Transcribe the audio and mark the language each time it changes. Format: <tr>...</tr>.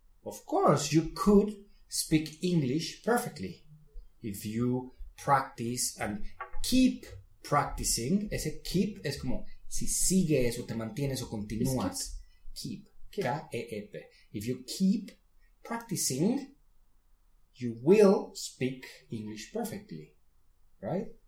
<en>Of course, you could speak English perfectly if you practice and keep practicing.</en> <es>Ese keep es como si sigues o te mantienes o continúas.</es> <en>Keep. K-E-E-P. If you keep practicing, you will speak English perfectly, right?</en>